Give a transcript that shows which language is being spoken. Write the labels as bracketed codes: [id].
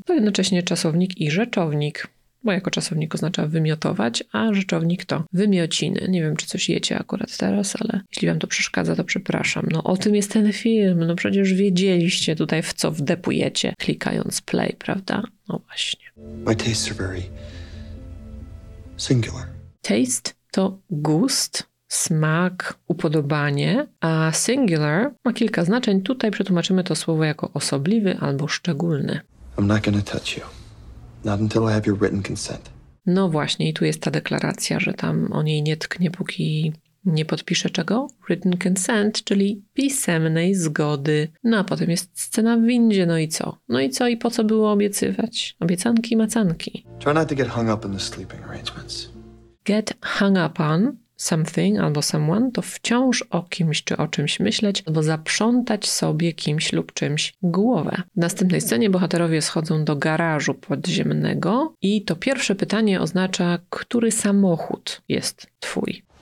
[pl] To jednocześnie czasownik i rzeczownik, bo jako czasownik oznacza wymiotować, a rzeczownik to wymiociny. Nie wiem, czy coś jecie akurat teraz, ale jeśli wam to przeszkadza, to przepraszam. No o tym jest ten film, no przecież wiedzieliście tutaj, w co wdepujecie, klikając play, prawda? No właśnie. [en] My tastes are very singular. [pl] Taste to gust. Smak, upodobanie, a singular ma kilka znaczeń. Tutaj przetłumaczymy to słowo jako osobliwy albo szczególny. [en] I'm not gonna touch you. Not until I have your written consent. [pl] No właśnie, i tu jest ta deklaracja, że tam o niej nie tknie, póki nie podpisze czego? [en] Written consent, [pl] czyli pisemnej zgody. No a potem jest scena w windzie, no i co? No i co i po co było obiecywać? Obiecanki, macanki. [en] Try not to get hung up in the sleeping arrangements. Get hung up on something [pl] albo [en] someone [pl] to wciąż o kimś czy o czymś myśleć albo zaprzątać sobie kimś lub czymś głowę. W następnej scenie bohaterowie schodzą do garażu podziemnego i to pierwsze pytanie oznacza, który samochód jest twój.